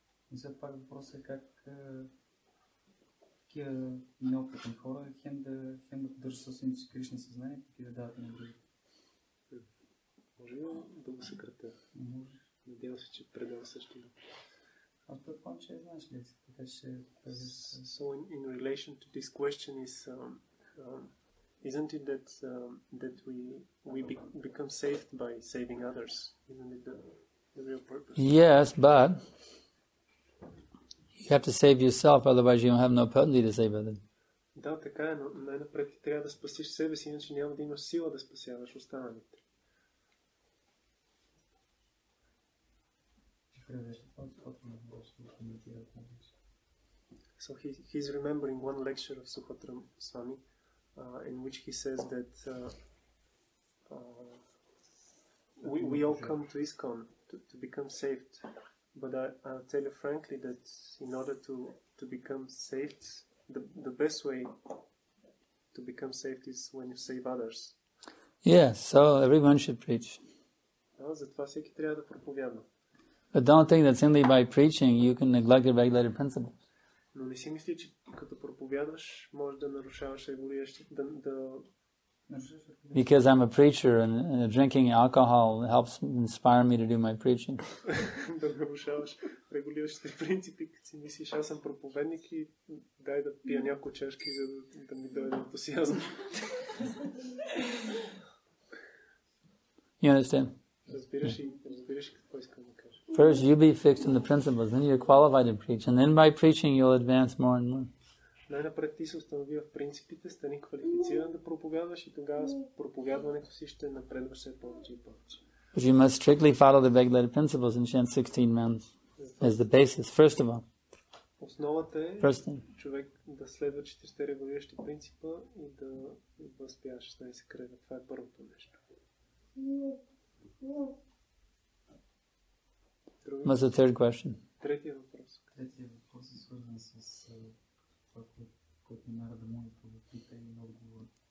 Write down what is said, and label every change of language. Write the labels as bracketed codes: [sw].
[bg] И все пак въпросът е как такива неопитни хора хем да, хем да държат собствените си Кришна съзнание, как и да дават на други. Може ли да го съкратя? Може. Надявам се, че предава също. Аз предполагам, че знаеш ли си, така ще [en] So in relation to this question is isn't it that that we become saved by saving others? Isn't it the real purpose? Yes, but you have to save yourself, otherwise you don't have no potency to save others. [bg] Да, така е, но най-напред ти трябва да спасиш себе си, иначе няма да имаш сила да спасяваш останалите. [en] So he's remembering one lecture of Sukhotram Swami in which he says that we all come to ISKCON to become saved, but I'll tell you frankly that in order to become saved, the best way to become saved is when you save others. Yes, so everyone should preach. [bg] Затова всеки трябва да проповядва. [en] But don't think that simply by preaching you can neglect your regulated principles. [bg] Но не си мисли, че като проповядваш, може да нарушаваш регулиращите да [en] Because I'm a preacher and drinking alcohol helps inspire me to do my preaching. [bg] Да нарушаваш регулиращите принципи, като си мислиш, аз съм проповедник и дай да пия няколко чашки, за да ми дойде ентусиазъм. [en] You understand? [bg] Разбираш ли какво искам да кажа? [en] First you be fixed in the principles, then you're qualified to preach, and then by preaching you'll advance more and more. [bg] Най-напред ти се установи в принципите, стани квалифициран да проповядваш и тогава с проповядването си ще напредваш все повече и повече. [en] But you must strictly follow the Vedic principles and chant 16 mantras as the basis, first of all. [bg] Основата е човек да следва 4-те регулиращи принципа и да възпяваш 16 креда. Това е първото нещо. [en] What's the third question? [bg] Третия въпрос е свързан с това, което Нара да може да попита и отговор.